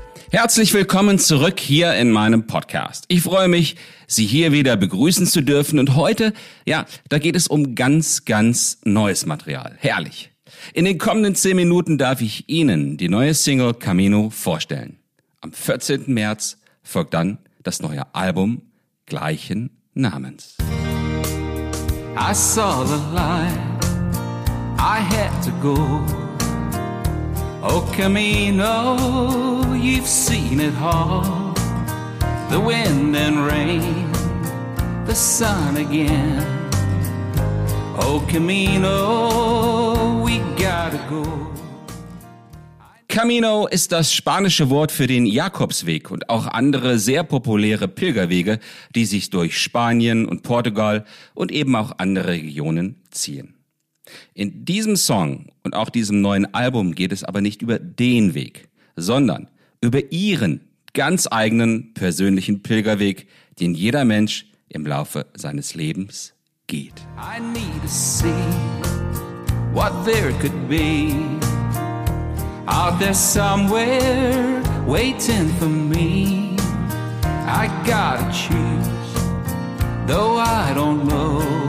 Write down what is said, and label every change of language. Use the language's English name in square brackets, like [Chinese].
[German] Herzlich willkommen zurück hier in meinem Podcast. Ich freue mich, Sie hier wieder begrüßen zu dürfen. Und heute, ja, da geht es um ganz, ganz neues Material. Herrlich. In den kommenden 10 Minuten darf ich Ihnen die neue Single Camino vorstellen. Am 14. März folgt dann das neue Album gleichen Namens. [English] I saw the light, I had to go. Oh Camino, you've seen it all. The wind and rain, the sun again. Oh Camino, we gotta go. [German] Camino ist das spanische Wort für den Jakobsweg und auch andere sehr populäre Pilgerwege, die sich durch Spanien und Portugal und eben auch andere Regionen ziehen. In diesem Song und auch diesem neuen Album geht es aber nicht über den Weg, sondern über Ihren ganz eigenen persönlichen Pilgerweg, den jeder Mensch im Laufe seines Lebens geht. [English] I need to see what there could be. Out there somewhere waiting for me. I gotta choose, though I don't know.